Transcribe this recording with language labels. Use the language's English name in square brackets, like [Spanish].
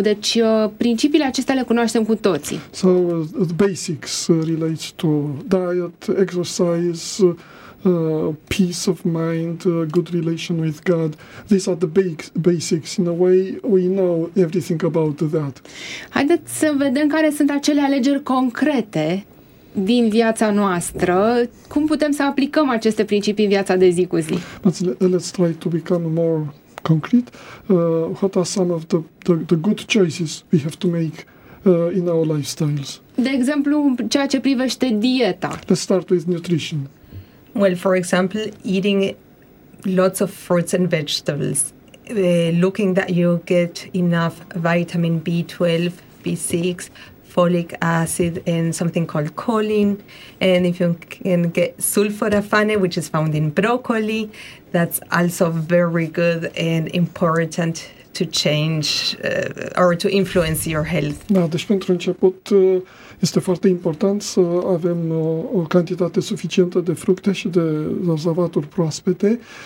[Romanian] Deci principiile acestea le cunoaștem cu toții. [English] So the basics relate to diet, exercise, peace of mind, good relation with God. These are the basics. In a way, we know everything about that. [Romanian] Haideți să vedem care sunt acele alegeri concrete din viața noastră, cum putem să aplicăm aceste principii în viața de zi cu zi? [English] Let's try to become more concrete. What are some of the good choices we have to make in our lifestyles? [Romanian] De exemplu, ceea ce privește dieta. [English] Let's start with nutrition. Well, for example, eating lots of fruits and vegetables. Looking that you get enough vitamin B12, B6, folic acid and something called choline, and if you can get sulforaphane, which is found in broccoli, that's also very good and important to change or to influence your health. [Romanian] Da, deci pentru început este foarte important să avem o cantitate suficientă de fructe și de zahăraturi proaspete.